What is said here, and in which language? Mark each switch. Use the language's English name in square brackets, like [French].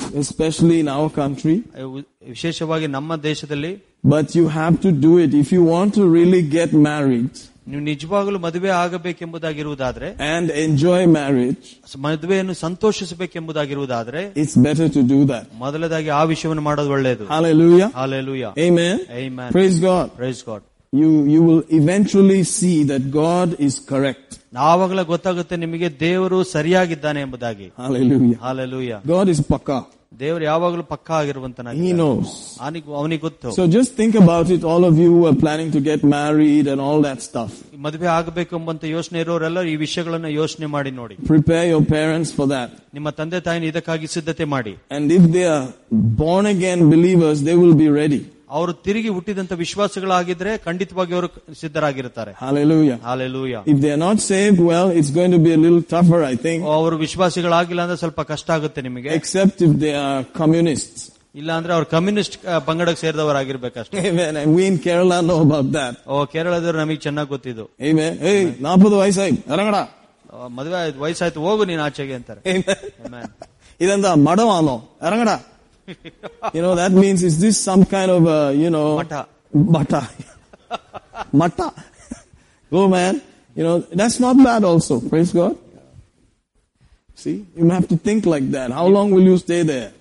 [English] Especially in our country. [Kannada] ವಿಶೇಷವಾಗಿ ನಮ್ಮ ದೇಶದಲ್ಲಿ. [English] But you have to do it if you want to really get married. [Kannada] ನೀವು ನಿಜವಾಗಲೂ ಮದುವೆ ಆಗಬೇಕೆಂಬುದಾಗಿರುವುದಾದ್ರೆ [English] and enjoy marriage [Kannada] ಮದುವೆಯನ್ನು ಸಂತೋಷಿಸಬೇಕೆಂಬುದಾಗಿರುವುದಾದ್ರೆ [English] it's better to do that [Kannada] ಮೊದಲದಾಗಿ ಆ ವಿಷಯವನ್ನು ಮಾಡೋದು ಒಳ್ಳೆಯದು. [English] hallelujah hallelujah amen amen praise God praise God you will eventually see that God is correct [Kannada] ಆವಾಗಲೇ ಗೊತ್ತಾಗುತ್ತೆ ನಿಮಗೆ ದೇವರು ಸರಿಯಾಗಿದ್ದಾನೆ ಎಂಬುದಾಗಿ. [English] hallelujah hallelujah God is pakka [Kannada] ದೇವರು ಯಾವಾಗಲೂ ಪಕ್ಕಾ ಆಗಿರುವಂತನ [English] he knows [Kannada] ಅವನಿಗೆ ಗೊತ್ತು. [English] so just think about it all of you are planning to get married and all that stuff [Kannada] ಮದುವೆ ಆಗಬೇಕೆಂಬಂತ ಯೋಚನೆ ಇರೋರೆಲ್ಲ ಈ ವಿಷಯಗಳನ್ನ ಯೋಚನೆ ಮಾಡಿ ನೋಡಿ. [English] prepare your parents for that [Kannada] ನಿಮ್ಮ ತಂದೆ ತಾಯಿನ ಇದಕ್ಕಾಗಿ ಸಿದ್ಧತೆ ಮಾಡಿ. [English] and if they are born again believers they will be ready [Kannada] ಅವರು ತಿರುಗಿ ಹುಟ್ಟಿದಂತ ವಿಶ್ವಾಸಗಳಾಗಿದ್ರೆ ಖಂಡಿತವಾಗಿ ಅವರು ಸಿದ್ಧರಾಗಿರುತ್ತಾರೆ. [English] Hallelujah. Hallelujah. If they are not saved, well, it's going to be a little tougher, I think. [Kannada] ಅವರು ವಿಶ್ವಾಸಿಗಳಾಗಿಲ್ಲ ಅಂದ್ರೆ ಸ್ವಲ್ಪ ಕಷ್ಟ ಆಗುತ್ತೆ ನಿಮಗೆ. [English] Except if they are communists. [Kannada] ಇಲ್ಲಾಂದ್ರೆ ಅವ್ರು ಕಮ್ಯುನಿಸ್ಟ್ ಪಂಗಡಕ್ಕೆ ಸೇರಿದವರು ಆಗಿರ್ಬೇಕಷ್ಟೇ. [English] Amen. And we in Kerala know about that. [Kannada] ಓ ಕೇರಳದವರು ನಮಗೆ ಚೆನ್ನಾಗಿ ಗೊತ್ತಿದ್ದು. [English] Amen. [Kannada] Hey, 40 ವಯಸ್ಸಾಯ್ತು [Malayalam] ಅರಂಗಡ [Kannada] ಮದುವೆ ಆಯ್ತು ವಯಸ್ಸಾಯ್ತು ಹೋಗು ನೀನು ಆಚೆಗೆ ಅಂತಾರೆ. [Malayalam] Amen. ಇದಂತ ಮಡವಾನೋ ಅರಂಗಡ. [English] You know, that means, is this some kind of a, you know, mata. Mata. Mata. Oh man, you know, that's not bad also, praise God. See, you have to think like that. How long will you stay there?